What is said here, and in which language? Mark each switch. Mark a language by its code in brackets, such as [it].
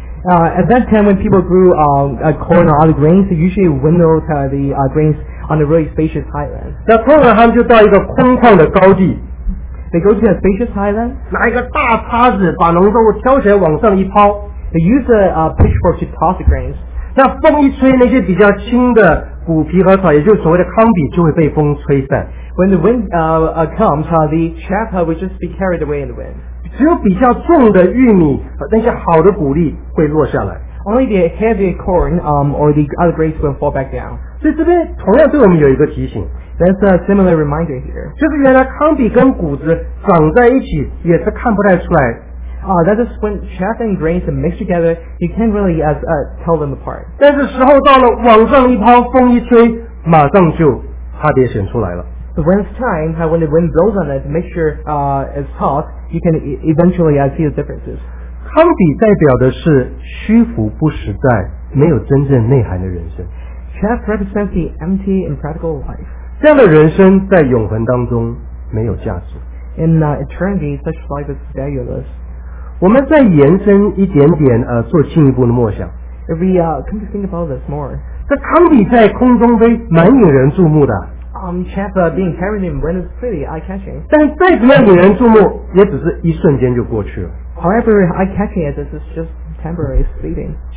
[en] At that time, when people grew corn or other grains, they usually winnowed the grains on a really spacious highland. [zh] 那通常他们就到一个空旷的高地。 [en] They go to a spacious highland. [zh] 拿一个大叉子把农作物挑起来往上一抛。 [en] They use a pitchfork to toss the grains. [zh] 那风一吹，那些比较轻的谷皮和草，也就是所谓的糠秕，就会被风吹散。 [en] When the wind comes, the chaff will just be carried away in the wind. [zh] 只有比较重的玉米，那些好的谷粒会落下来。 [en] Only the heavier corn or the other grains will fall back down. [zh] 所以这边同样对我们有一个提醒。 [en] That's a similar reminder here. [zh] 就是原来糠秕跟谷子长在一起，也是看不太出来。 [en] That is when chaff and grains are mixed together, you can't really tell them apart. [zh] 但是时候到了，往上一抛，风一吹，马上就差别显出来了。 [en] But when it's time, when the wind blows on it, to make sure it's tossed, you can eventually see the differences. [zh] 糠秕代表的是虚浮不实在、没有真正内涵的人生。 [en] Chaff represents the empty, impractical life. [zh] 这样的人生在永恒当中没有价值。 [en] In eternity, such life is valueless. [zh] 我们再延伸一点点，做进一步的默想。 [en] If we come to think about this more. [zh] 这糠秕在空中飞，蛮引人注目的。 [en] Chaff being carried in wind is pretty eye-catching. [zh] 但再怎么样引人注目，也只是一瞬间就过去了。 [en] However, eye-catching it, this is just temporary, it's fleeting.